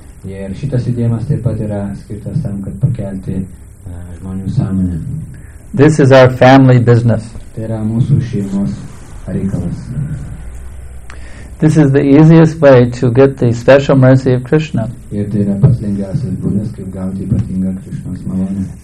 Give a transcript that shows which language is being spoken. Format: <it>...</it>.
<lt>Ir šitas judėjimas taip pat yra skirtas tam, kad pakelti žmonių sąmonę.</lt> <en>This is our family business.</en> <lt>Tai yra mūsų šeimos reikalas.</lt> <en>This is the easiest way to get the special mercy of Krishna.</en> <lt>Ir tai yra pats lengviausias būdas, kaip gauti ypatingą Krishnos malonę.</lt>